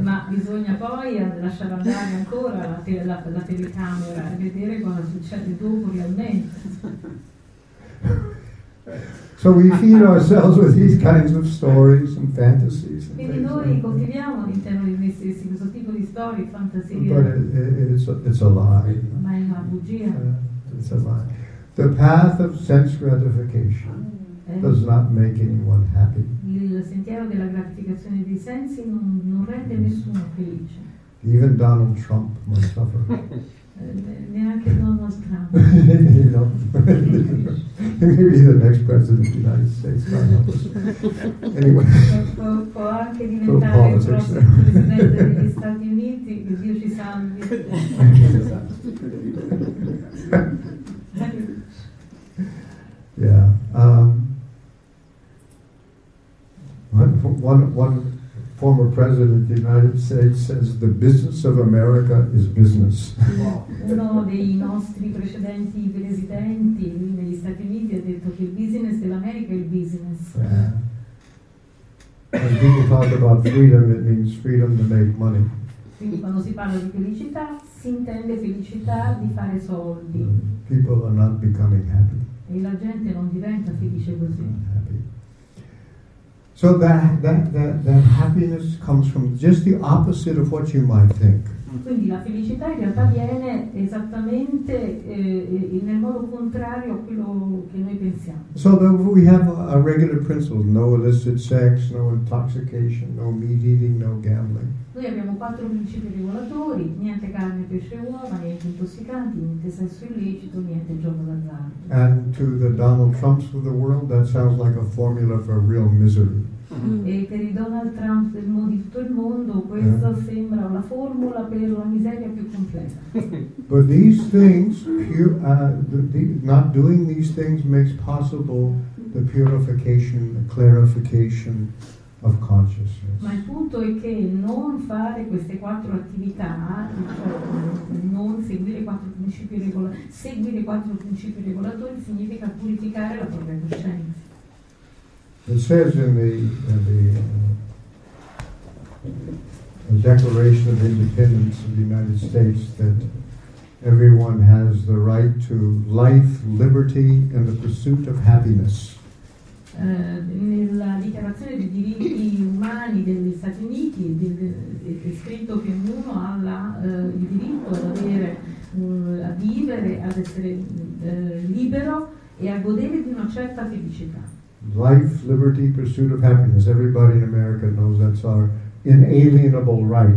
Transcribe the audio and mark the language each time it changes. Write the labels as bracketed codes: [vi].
[it] Ma bisogna poi lasciare andare ancora la telecamera e vedere cosa succede dopo realmente. [en] So we feed ourselves with these kinds of stories and fantasies. [it] Quindi noi coltiviamo all'interno di noi stessi questo tipo di storie, fantasie. [en] But it's a lie. [it] Ma è una bugia. [en] It's a lie. The path of sense gratification does not make anyone happy. [it] Il sentiero della gratificazione dei sensi non rende nessuno felice. [en] Even Donald Trump must suffer. [it] Neanche Donald Trump. [en] He may be the next president of the United States. God knows. Anyway. [it] Può anche diventare il prossimo presidente degli Stati Uniti. Dio ci salvi. [en] Yeah. One former president of the United States says the business of America is business. [it] Uno dei nostri precedenti presidenti negli Stati Uniti ha detto che il business dell'America è il business. [en] When people talk about freedom, it means freedom to make money. [it] Quindi quando si parla di felicità, si intende felicità di fare soldi. [en] People are not becoming happy. [it] E la gente non diventa felice così. [en] So that happiness comes from just the opposite of what you might think. [it] Quindi la felicità in realtà viene esattamente nel modo contrario a quello che noi pensiamo. [en] So we have a regular principle: no illicit sex, no intoxication, no meat eating, no gambling. [it] Noi abbiamo quattro principi regolatori: niente carne, pesce, uova, niente intossicanti, niente sesso illecito, niente gioco d'azzardo. [en] And to the Donald Trumps of the world, that sounds like a formula for real misery. [it] E per i Donald Trump del mondo, di tutto il mondo, questa sembra la formula per la miseria più completa. [en] But these things, not doing these things makes possible the purification, the clarification of consciousness. [it] Ma il punto è che non fare queste quattro attività, non seguire quattro principi regolatori, seguire quattro principi regolatori significa purificare la propria coscienza. [en] It says in the Declaration of Independence of the United States that everyone has the right to life, liberty, and the pursuit of happiness. [it] Nella dichiarazione dei diritti umani degli Stati Uniti è scritto che ognuno ha il diritto ad avere a vivere, ad essere libero e a godere di una certa felicità. [en] Life, liberty, pursuit of happiness. Everybody in America knows that's our inalienable right.